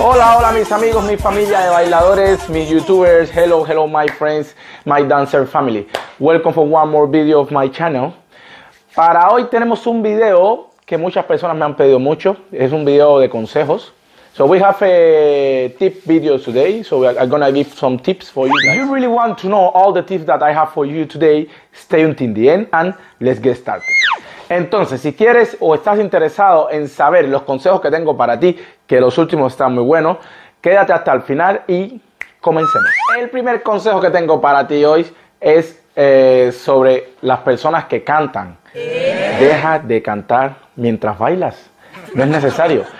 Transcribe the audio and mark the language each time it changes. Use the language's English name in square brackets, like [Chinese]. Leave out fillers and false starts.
[Spanish] Hola, hola, mis amigos, mi familia de bailadores, mis YouTubers. [English] Hello, hello, my friends, my dancer family. Welcome for one more video of my channel. [Spanish] Para hoy tenemos un video que muchas personas me han pedido mucho. Es un video de consejos. [English] So we have a tip video today. So I'm gonna give some tips for you guys. If you really want to know all the tips that I have for you today, stay until the end and let's get started. [Spanish] Entonces, si quieres o estás interesado en saber los consejos que tengo para ti, que los últimos están muy buenos, quédate hasta el final y comencemos. El primer consejo que tengo para ti hoy es sobre las personas que cantan. Deja de cantar mientras bailas. No es necesario.